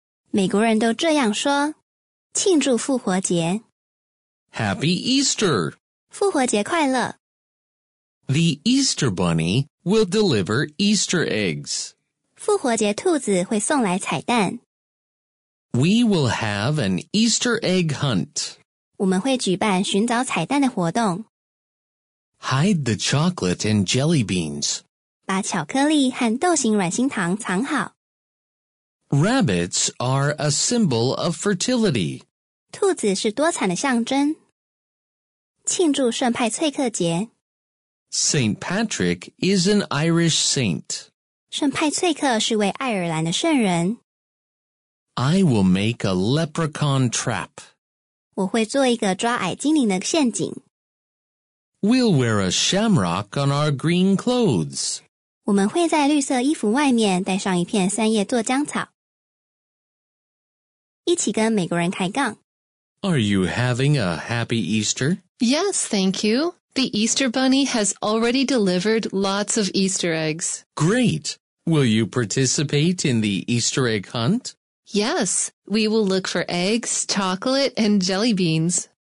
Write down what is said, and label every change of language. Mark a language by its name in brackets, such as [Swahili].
[Chinese] 美国人都这样说，庆祝复活节。 [English] Happy Easter! [Chinese] 复活节快乐。 [English] The Easter Bunny will deliver Easter eggs. [Chinese] 复活节兔子会送来彩蛋。 [English] We will have an Easter egg hunt. [Chinese] 我们会举办寻找彩蛋的活动。 [English] Hide the chocolate and jelly beans. [Chinese] 把巧克力和豆形软心糖藏好。 [English] Rabbits are a symbol of fertility. [Chinese] 兔子是多产的象征。庆祝圣派翠克节。 [English] St. Patrick is an Irish saint. [Chinese] 圣派翠克是位爱尔兰的圣人。 [English] I will make a leprechaun trap. [Chinese] 我会做一个抓矮精灵的陷阱。 [English] We'll wear a shamrock on our green clothes. [Chinese] 我们会在绿色衣服外面带上一片三叶座浆草。一起跟美国人开杠。 [English] Are you having a happy Easter? Yes, thank you. The Easter Bunny has already delivered lots of Easter eggs. Great! Will you participate in the Easter egg hunt? Yes, we will look for eggs, chocolate, and jelly beans.